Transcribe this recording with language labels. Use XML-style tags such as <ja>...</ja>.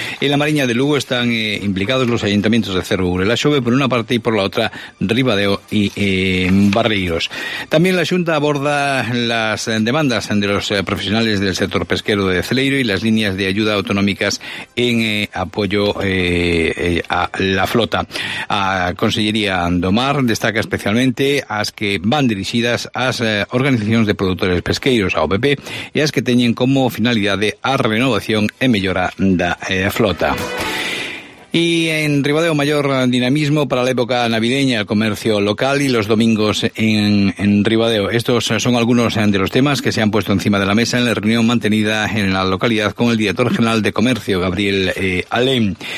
<es>En la Mariña de Lugo están implicados los ayuntamientos de Cervo Burela Xove, por una parte, y por la otra, Ribadeo y Barreiros. También la Xunta aborda las demandas de los profesionales del sector pesquero de Celeiro y las líneas de ayuda autonómicas en apoyo a la flota.</es> <gl>A Consellería do Mar destaca especialmente as que van dirixidas ás organizacións de produtores pesqueiros, a OPP, e as que teñen como finalidade a renovación e mellora da flota.</gl> <es>Y en Ribadeo, mayor dinamismo para la época navideña, el comercio local y los domingos en Ribadeo. Estos son algunos de los temas que se han puesto encima de la mesa en la reunión mantenida en la localidad con el director general de comercio, Gabriel Alem.</es>